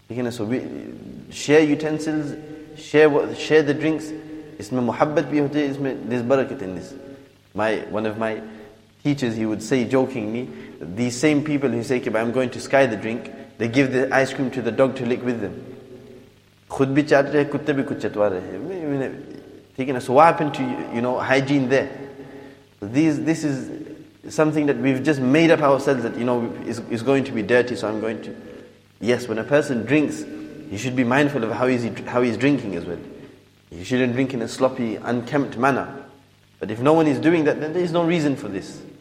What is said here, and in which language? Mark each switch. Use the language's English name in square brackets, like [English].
[English] So we share utensils, share the drinks. [Urdu] Isme muhabbat bhi hote, isme [English] there's barakat in this. One of my teachers, he would say jokingly, these same people who say, I'm going to sky the drink, they give the ice cream to the dog to lick with them. [Urdu] خود بھی چاٹ رہے، کتے بھی کچھ چٹوا رہے. [English] So what happened to hygiene there? This is something that we've just made up ourselves that, is going to be dirty, so I'm going to... Yes, when a person drinks, he should be mindful of how he's drinking as well. He shouldn't drink in a sloppy, unkempt manner. But if no one is doing that, then there is no reason for this.